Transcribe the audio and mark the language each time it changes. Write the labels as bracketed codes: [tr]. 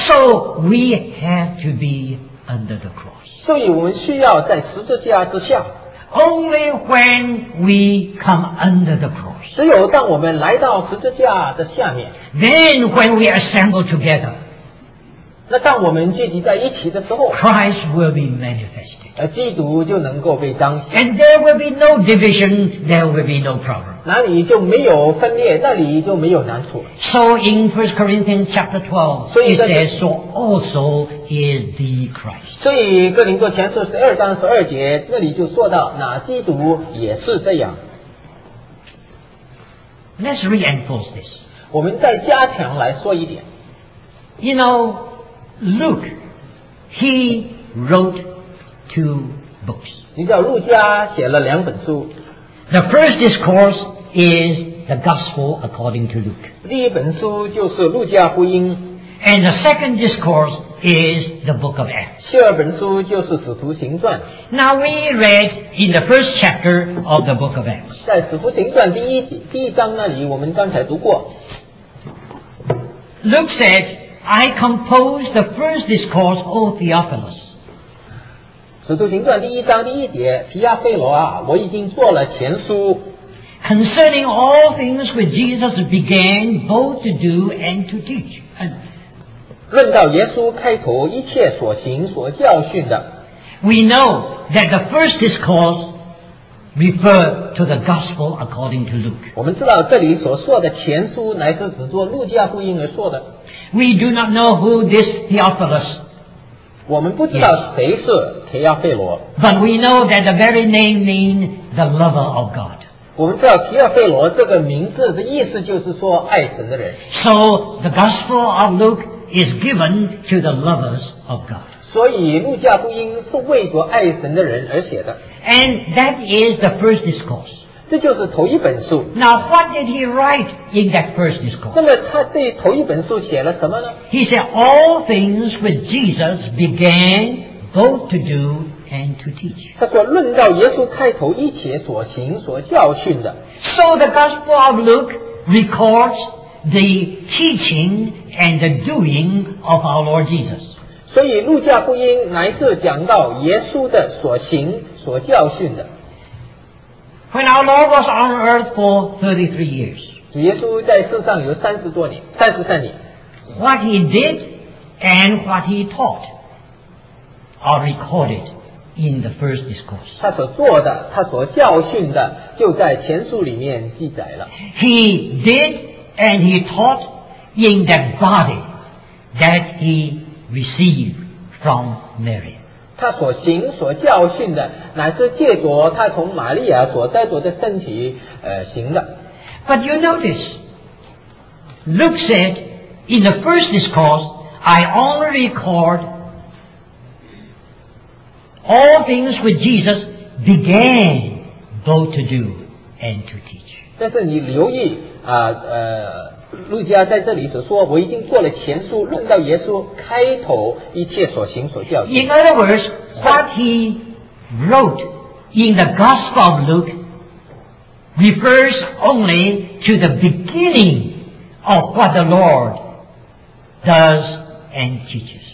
[en] So we have to be under the cross. [zh] 所以我们需要在十字架之下。 [en] Only when we come under the cross. [zh] 只有当我们来到十字架的下面。 [en] Then when we assemble together. [zh] 那当我们聚集在一起的时候。 [en] Christ will be manifested. [zh] 基督就能够被彰显。 [en] And there will be no division, there will be no problem. [zh] 那里就没有分裂，那里就没有难处。 [en] So in 1 Corinthians chapter 12, it says, so also is the Christ. [zh] 所以哥林多前书十二章十二节那里就说到，那基督也是这样。 [en] Let's reinforce this. [zh] 我们再加强来说一点。 [en] You know, Luke, he wrote two books. [zh] 你知道路加写了两本书。 [en] The first discourse is the Gospel according to Luke. [zh] 第一本书就是路加福音。 [en] And the second discourse is the book of Acts. [zh] 第二本书就是使徒行传。 [en] Now we read in the first chapter of the book of Acts. [zh] 在使徒行传第一章那里我们刚才读过。 [en] Luke said, I composed the first discourse, O Theophilus. [zh] 使徒行传第一章第一节，提亚菲罗啊，我已经做了前书。 [en] Concerning all things which Jesus began both to do and to teach. [zh] 论到耶稣开头一切所行所教训的。 [en] We know that the first discourse referred to the gospel according to Luke. [zh] 我们知道这里所说的前书乃是指作路加福音而说的。 [en] We do not know who this Theophilus. [zh] 我们不知道谁是提亚费罗。 [en] But we know that the very name means the lover of God. [zh] 我们知道提亚费罗这个名字的意思就是说爱神的人。 [en] So the Gospel of Luke is given to the lovers of God. [zh] 所以路加福音是为着爱神的人而写的。 [en] And that is the first discourse. [zh] 这就是头一本书。 [en] Now, what did he write in that first discourse? [zh] 那么他对头一本书写了什么呢？ [en] He said, all things which Jesus began both to do and to teach. [zh] 他说论到耶稣开头一切所行所教训的。 [en] So the Gospel of Luke records the teaching and the doing of our Lord Jesus. [zh] 所以路加福音乃是讲到耶稣的所行所教训的。 [en] When our Lord was on earth for 33 years, [zh] 主耶稣在世上有三十多年，三十三年。 [en] What he did and what he taught are recorded in the first discourse. [zh] 他所做的，他所教训的，就在前书里面记载了。 [en] He did and he taught in that body that he received from Mary. [zh] 他所行所教训的乃是借着他从玛利亚所带着的身体行的。 [en] But you notice Luke said in the first discourse I only record all things which Jesus began both to do and to teach. [zh] 但是你留意啊，路加在这里所说，我已经做了前书，论到耶稣开头一切所行所教。 [en] In other words, what he wrote in the Gospel of Luke refers only to the beginning of what the Lord does and teaches.